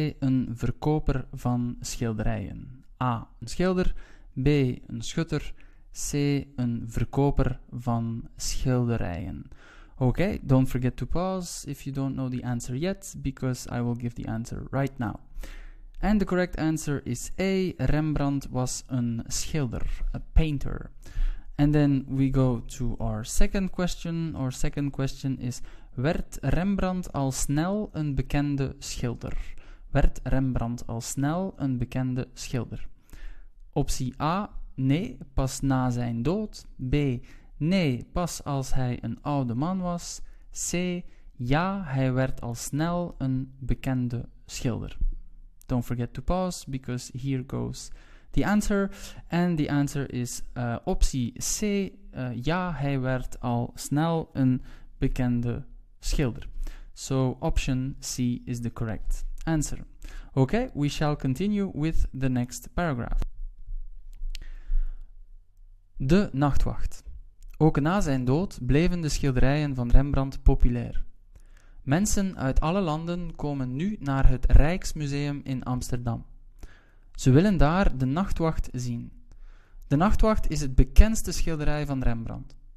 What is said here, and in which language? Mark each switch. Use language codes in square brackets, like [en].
[nl] Een verkoper van schilderijen. A. Een schilder. B. Een schutter. C. Een verkoper van schilderijen. [en] Okay, don't forget to pause if you don't know the answer yet, because I will give the answer right now. And the correct answer is A. [nl] Rembrandt was een schilder, [en] a painter. And then we go to our second question. Our second question is, [nl] werd Rembrandt al snel een bekende schilder? Werd Rembrandt al snel een bekende schilder? Optie A. Nee, pas na zijn dood. B. Nee, pas als hij een oude man was. C. Ja, hij werd al snel een bekende schilder. [en] Don't forget to pause, because here goes the answer. And the answer is optie C. [nl] Ja, hij werd al snel een bekende schilder. [en] So, option C is the correct answer. Okay, we shall continue with the next paragraph. [nl] De Nachtwacht. Ook na zijn dood bleven de schilderijen van Rembrandt populair. Mensen uit alle landen komen nu naar het Rijksmuseum in Amsterdam. Ze willen daar de Nachtwacht zien. De Nachtwacht is het bekendste schilderij van Rembrandt.